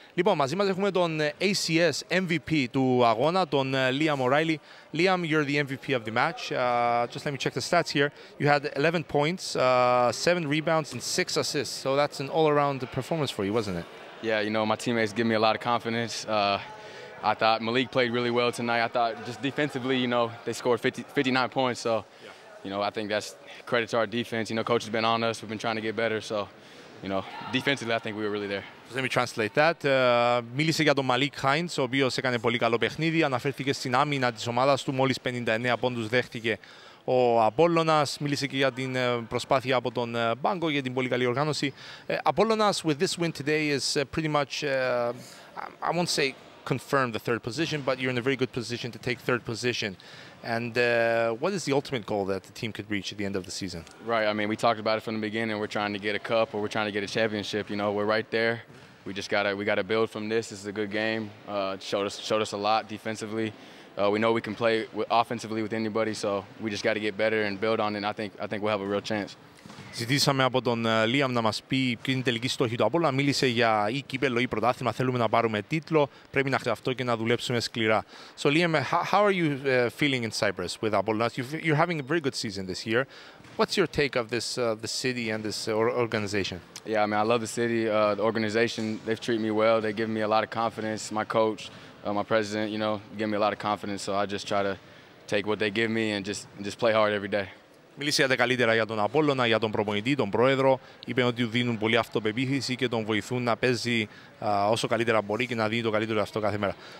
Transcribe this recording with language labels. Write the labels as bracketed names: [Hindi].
[Greek] Λοιπόν, μαζί μας έχουμε τον ACS MVP του αγώνα, τον Liam O'Reilly. [English] Liam, you're the MVP of the match. Just let me check the stats here. You had 11 points, 7 rebounds and 6 assists. So that's an all-around performance for you, wasn't it? Yeah, you know, my teammates give me a lot of confidence. I thought Malik played really well tonight. I thought just defensively, you know, they scored 59 points. So, you know, I think that's credit to our defense. You know, coach has been on us. We've been trying to get better. So, you know, defensively, I think we were really there. Let me translate that. [Greek] Μίλησε για τον Malik Hines, ο οποίος έκανε πολύ καλό παιχνίδι. Αναφέρθηκε στην άμυνα της ομάδας του. Μόλις 59 πόντους δέχτηκε ο Απόλλωνας. Μίλησε και για την προσπάθεια από τον Μπάγκο για την πολύ καλή οργάνωση. [English] Απόλλωνας, with this win today, is pretty much, I won't say confirm the third position, but you're in a very good position to take third position. And what is the ultimate goal that the team could reach at the end of the season? Right. I mean, we talked about it from the beginning. We're trying to get a cup or we're trying to get a championship. You know, we're right there. We just got to build from this. This is a good game. Showed us a lot defensively. We know we can play offensively with anybody. So we just got to get better and build on it. And I think we'll have a real chance. [Greek] Ζητήσαμε από τον Λίαμ να μας πει ποιο είναι η τελική στόχη του Απόλλωνα. Μίλησε για ή κύπελλο ή πρωτάθλημα. Θέλουμε να πάρουμε τίτλο. Πρέπει να χρειαστώ και να δουλέψουμε σκληρά. [English] So, Liam, how are you feeling in Cyprus with Apollonas? You're having a very good season this year. What's your take of this the city and this organization? Yeah, I mean, I love the city, the organization. They've treated me well. They give me a lot of confidence. My coach, my president, you know, give me a lot of confidence. So I just try to take what they give me and just play hard every day. [Greek] Μίλησε για τα καλύτερα για τον Απόλλωνα, για τον προπονητή, τον πρόεδρο. Είπε ότι του δίνουν πολύ αυτοπεποίθηση και τον βοηθούν να παίζει όσο καλύτερα μπορεί και να δίνει το καλύτερο αυτό κάθε μέρα.